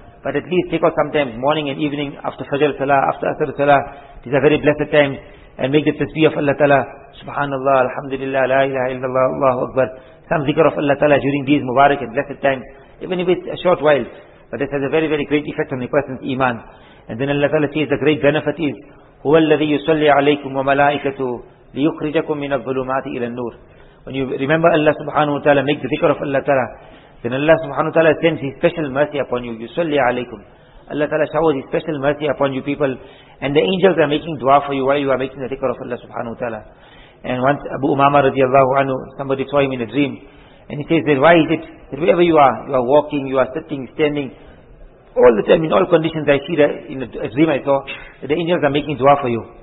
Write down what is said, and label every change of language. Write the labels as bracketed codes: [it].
[en] But at least take out sometimes morning and evening after Fajr Salah, after Asr Salah. These are very blessed times. And make the tasbih of Allah Ta'ala. Subhanallah, Alhamdulillah, La ilaha illallah, Allahu Akbar. Some zikr of Allah Ta'ala during these Mubarak and blessed times. Even if it's a short while. But this has a very, very great effect on the person's Iman. And then Allah Ta'ala says the great benefit is, [ar] هُوَ الَّذِي يُصَلِّ عَلَيْكُمْ وَمَلَائِكَتُ لِيُخْرِجَكُمْ مِنَ الظُّلُمَاتِ إِلَى النُّورِ. [en] When you remember Allah Subhanahu wa Ta'ala, make the zikr of Allah Ta'ala, then Allah subhanahu wa ta'ala sends His special mercy upon you. Yusalli alaykum. Allah Ta'ala showers His special mercy upon you people, and the angels are making dua for you while you are making the dhikr of Allah subhanahu wa ta'ala. And once Abu Umama radiallahu anhu, somebody saw him in a dream, and he says that, why is it that wherever you are walking, you are sitting, standing, all the time, in all conditions, I see that in a dream I saw, that the angels are making dua for you.